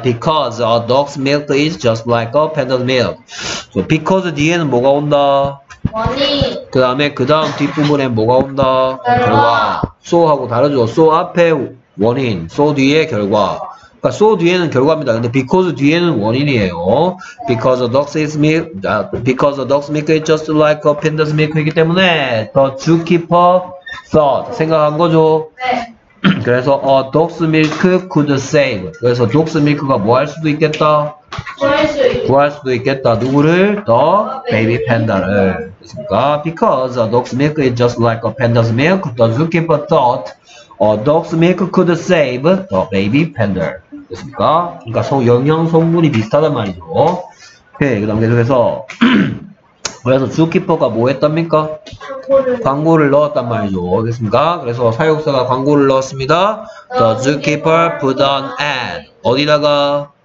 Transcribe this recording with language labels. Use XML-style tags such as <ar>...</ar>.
<en>Because a dog's milk is just like a panda's milk.</en> <ko>So because 뒤에는 뭐가 온다?</ko> <en>Money.</en> <ko>그 다음에 그 다음 뒷부분에 뭐가 온다? 결과. So 하고 다르죠. So 앞에 원인, so 뒤에 결과. 그러니까 so 뒤에는 결과입니다. 근데 because 뒤에는 원인이에요.</ko> <en>Because a dog's milk, because a dog's milk is just like a panda's milk이기 때문에 the zookeeper thought,</en> <ko>생각한 거죠. 네. 그래서</ko> <en>a dog's milk could save.</en> <ko>그래서 dog's milk가 뭐 할 수도 있겠다? 구할 수도 있겠다. 누구를?</ko> <en>The baby panda를. 그러니까 because a dog's milk is just like a panda's milk, the zookeeper thought a dog's milk could save the baby panda.</en> <ko>그러니까 영양 성분이 비슷하단 말이죠. 오케이, 그 다음 계속해서 그래서 주키퍼가 뭐 했답니까? 광고를 넣었단 말이죠. 알겠습니까? 그래서 사육사가 광고를 넣었습니다.</ko> <en>The zookeeper put an ad.</en> <ko>어디다가?</ko>